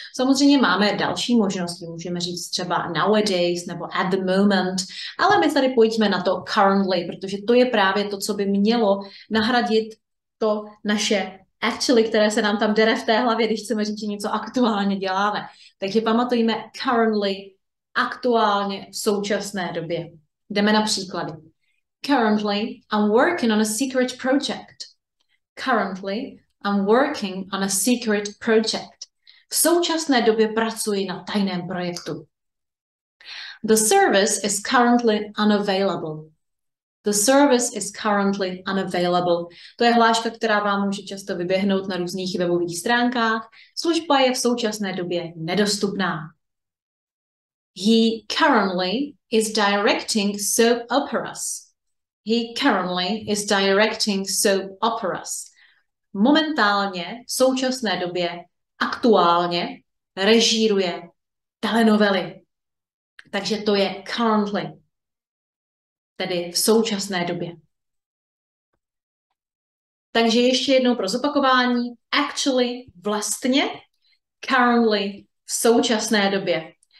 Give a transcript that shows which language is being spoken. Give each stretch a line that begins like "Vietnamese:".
Czech: Samozřejmě máme další možnosti, můžeme říct třeba nowadays nebo
English: at the moment,
Czech: ale my tady pojďme na to currently, protože to je právě to, co by mělo nahradit to naše actually, které se nám tam dere v té hlavě, když chceme říct, že něco aktuálně děláme. Takže pamatujme currently, aktuálně v současné době. Jdeme na příklady.
English: Currently, I'm working on a secret project. Currently, I'm working on a secret project.
Czech: V současné době pracuji na tajném projektu.
English: The service is currently unavailable. The service is currently unavailable.
Czech: To je hláška, která vám může často vyběhnout na různých webových stránkách. Služba je v současné době nedostupná.
English: He currently is directing soap operas. He currently is directing soap operas.
Czech: Momentálně, v současné době, aktuálně režíruje telenovely. Takže to je currently, tedy v současné době. Takže ještě jednou pro zopakování. Actually, vlastně, currently, v současné době.